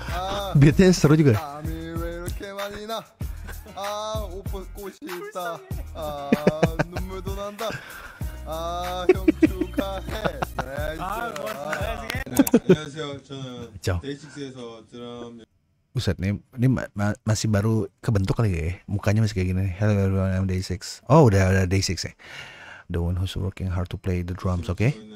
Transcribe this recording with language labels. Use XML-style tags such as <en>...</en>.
<ko>아. 밑에 서로 지금. 아니 왜 이렇게 많이 나? 아, 옷 벗고 싶다. 아, 눈물도 난다. 아, 형 축하해. 나이스. 아, 안녕하세요. 저는 데이식스에서 드럼.</ko> <id>우셋님, 님 masih baru kebentuk lagi ya. Mukanya masih kayak gini.</id> <en>Hello everyone, I'm Day6.</en> <id>Oh, udah Day6 ya.</id> <en>The one who's working hard to play the drums, okay?</en>